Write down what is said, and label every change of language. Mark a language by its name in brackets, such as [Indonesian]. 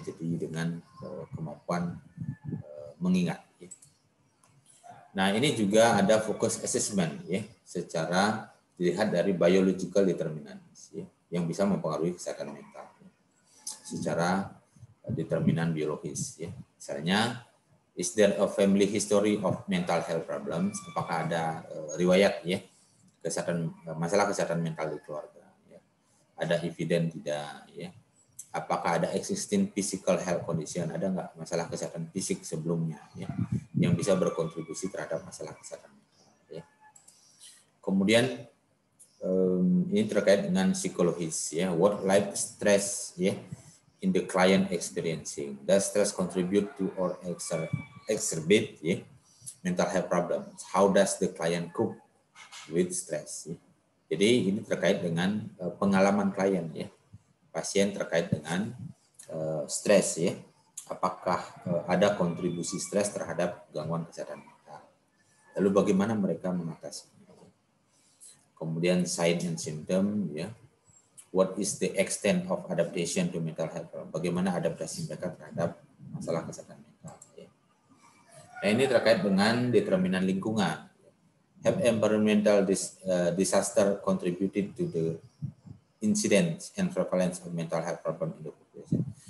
[Indonesian] Jadi dengan kemampuan mengingat. Ya. Nah ini juga ada [English] focus assessment, [Indonesian] ya, secara dilihat dari [English] biological determinants, [Indonesian] ya, yang bisa mempengaruhi kesehatan mental. Ya. Secara determinan biologis, ya. Misalnya. [English] Is there a family history of mental health problems? [Indonesian] Apakah ada riwayat ya kesehatan, masalah kesehatan mental di keluarga? Ya. Ada evidence tidak? Ya. Apakah ada [English] existing physical health condition? [Indonesian] Ada nggak masalah kesehatan fisik sebelumnya ya, yang bisa berkontribusi terhadap masalah kesehatan mental? Ya. Kemudian ini terkait dengan psikologis ya. [English] What life stress ya? In the client experiencing, does stress contribute to or exacerbate yeah, mental health problems? How does the client cope with stress? Yeah. [Indonesian] Jadi ini terkait dengan pengalaman klien ya, [English] yeah. [Indonesian] Pasien terkait dengan stress ya. Yeah. Apakah ada kontribusi stress terhadap gangguan kesehatan mental? Lalu bagaimana mereka mengatasinya? Kemudian [English] signs and symptoms ya. Yeah. What is the extent of adaptation to mental health problem? [Indonesian] Bagaimana adaptasi mereka terhadap masalah kesehatan mental? Nah, ini terkait dengan determinan lingkungan. [English] Have environmental disaster contributed to the incidence and prevalence of mental health problem in the population?